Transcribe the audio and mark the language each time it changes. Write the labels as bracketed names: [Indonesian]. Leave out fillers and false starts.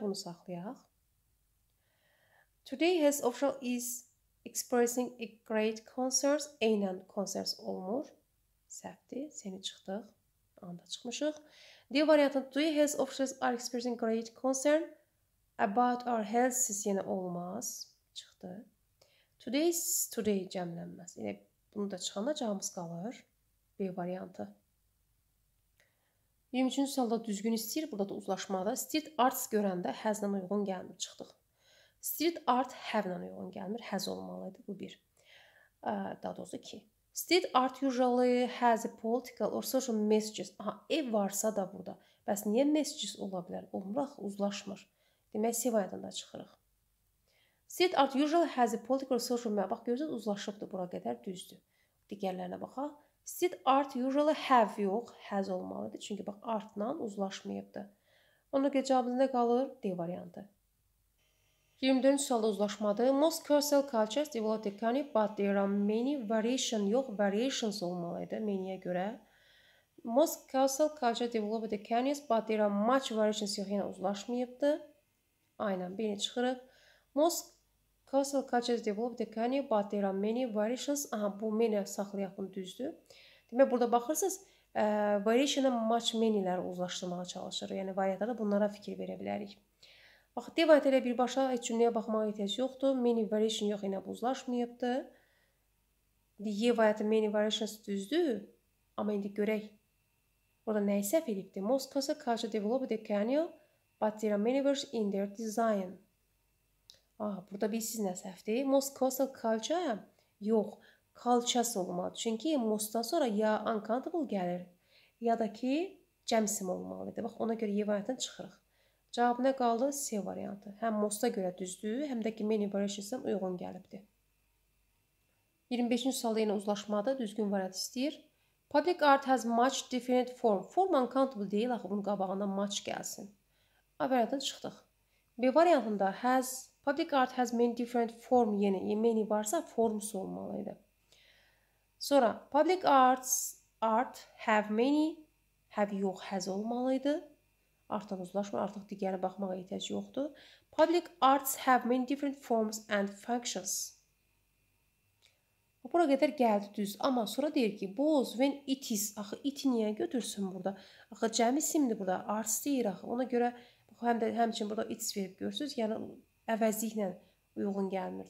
[Azerbaijani] Bunu saxlayaq. [English] Today health official is expressing a great concern. [Azerbaijani] Eynən concerns olmur. Səhvdir. Seni çıxdıq. Anda çıxmışıq. D variantı. [English] Today health officials are expressing great concern about our health. [Azerbaijani] Yenə olmaz. Çıxdı. Today's today cəmlənməz. Yəni bunu da çıxanda cavabımız qalır. B variantı. 23-cü sualda düzgün istəyir. Burada da uzlaşmada. Street arts görəndə has-dan uyğun gəlmir. Çıxdıq. Street art have-dan uyğun gəlmir. Has olmalıydı. Bu bir. Daha doğrusu iki. [English] Street art usually has a political or social messages. [Azerbaijani] Aha, ev varsa da burada. Bəs niyə messages ola bilər? Olmur axı, uzlaşmır. Demək, C variantını da çıxırıq. [English] Street art usually has a political social message. [Azerbaijani] Bax, görürsünüz, uzlaşıbdır bura qədər, düzdür. Digərlərinə baxaq. [English] Street art usually have [Azerbaijani] yox, has olmalıdır. Çünki bax, artla uzlaşmayıbdır. Ona görə cavabımız nə qalır? D variantı. 24-cü sualda uzlaşmadı. [English] Most coastal cultures develop the canoe, but there are many variations. [Azerbaijani] Yox, variations olmalıydı, meniyə görə. [English] Most coastal cultures develop the canoes, but there are much variations. [Azerbaijani] Yox, yenə uzlaşmayıbdır. Aynen, birini çıxırıq. [English] Most coastal cultures develop the canoe, but there are many variations. [Azerbaijani] Aha, bu many saxlayaq, bunu düzdür. Demək, burada baxırsınız, variation'a much many'ləri uzlaşdırmağa çalışır. Yəni, variantlarda bunlara fikir verə bilərik. Bax, D variantı ilə birbaşa heç cümləyə baxmağa ehtiyac yoxdur. Many variation yox, yenə bu uzlaşmayıbdır. Y variantı many variations düzdür. Amma indi görək, burada nəyi səhv edibdir? [English] Most coastal cultures develop the canoe, but there are many variations in their design. [Azerbaijani] Aha, burada bilirsiniz nə səhvdir. [English] Most coastal culture [Azerbaijani] yox. Culture olmalıdır. Çünki most-dan sonra ya uncountable gəlir, ya da ki cəmsim olmalıdır. Bax, ona görə Y variantını çıxırıq. Cavab nə qaldı? C variantı. Həm most-a görə düzdür, həm də ki many variations-a uyğun gəlibdir. 25-ci sualda yenə uzlaşmada düzgün variant istəyir. [English] Public art has much different form. [Azerbaijani] Form uncountable deyil, axı bunun qabağında much gəlsin. A variantını çıxdıq. B variantında has [English] Public art has many different form. [Azerbaijani] Yəni, many varsa forms olmalıydı. Sonra, [English] public art have many, [Azerbaijani] have yox, has olmalıydı. Artıq uzlaşma, artıq digərinə baxmağa ehtiyac yoxdur. [English] Public arts have many different forms and functions. [Azerbaijani] Bura qədər gəldi düz, amma sonra deyir ki, both when it is, axı iti niyə götürsün burada? Axı cəmi simdir burada, arts deyir axı. Ona görə, həm də həmçin burada it's verib görürsünüz, yəni əvəzliklə uyğun gəlmir.